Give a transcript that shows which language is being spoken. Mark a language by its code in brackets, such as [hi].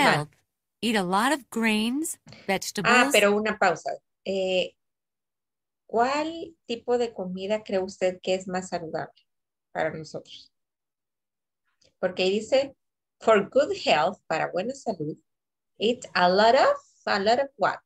[en] health, eat a lot of grains, vegetables. [es] Ah, pero una pausa. ¿Cuál tipo de comida cree usted que es más saludable para nosotros? Porque dice, [en] for good health, [es] para buena salud, [en] eat a lot of what?